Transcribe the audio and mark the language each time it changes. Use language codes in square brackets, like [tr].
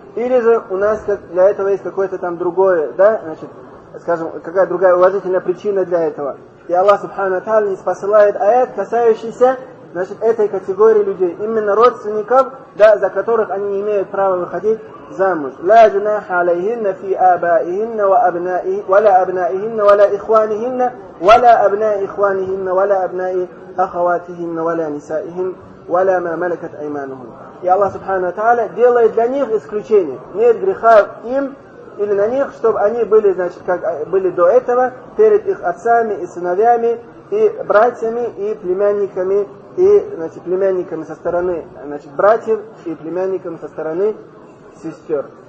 [ru] Или же у нас для этого есть какое-то там другое, да, значит, скажем, какая другая уважительная причина для этого. И Аллах Субхану ва Тааля ниспосылает аят, касающийся, значит, этой категории людей, именно родственников, да, за которых они не имеют права выходить замуж. [ar] لا جناح عليهن في آبائهن ولا أبنائهن ولا إخوانهن ولا أبناء إخوانهن ولا أبناء أخواتهن ولا نسائهن ولا ما ملكت أيمانهن. [ru] И Аллах Субхану ва Тааля делает для них исключение. Нет греха им или на них, чтобы они были, значит, как были до этого, перед их отцами и сыновьями, и братьями, и племянниками, и, значит, племянниками со стороны, значит, братьев, и племянниками со стороны сестер.